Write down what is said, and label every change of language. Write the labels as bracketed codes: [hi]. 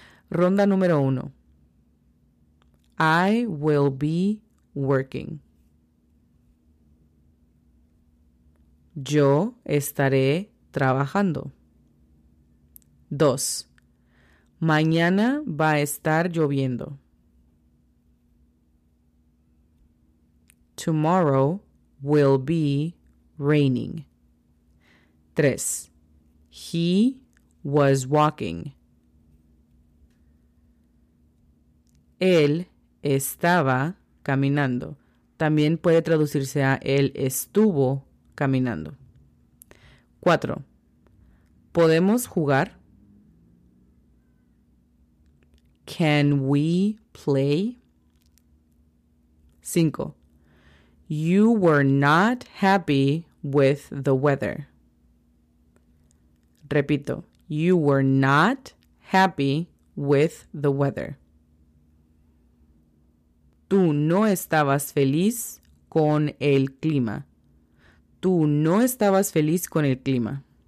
[es] Ronda número uno. [en] I will be working. [es] Yo estaré trabajando. Dos. Mañana va a estar lloviendo. [en] Tomorrow will be raining. 3. He was walking. [es] Él estaba caminando. También puede traducirse a él estuvo caminando. 4. ¿Podemos jugar? [en] Can we play? 5. You were not happy with the weather. Repito, you were not happy with the weather. [es] Tú no estabas feliz con el clima. Tú no estabas feliz con el clima.